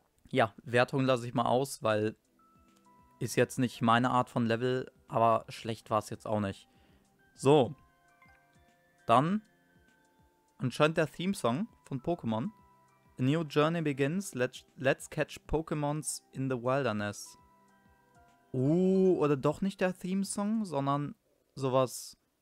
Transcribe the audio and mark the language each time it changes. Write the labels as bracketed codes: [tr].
[de] Ja, Wertung lasse ich mal aus, weil ist jetzt nicht meine Art von Level, aber schlecht war es jetzt auch nicht. So. Dann anscheinend der Theme-Song von Pokémon. [en] A new journey begins, let's catch Pokémons in the wilderness. [de] Oder doch nicht der Theme-Song, sondern sowas.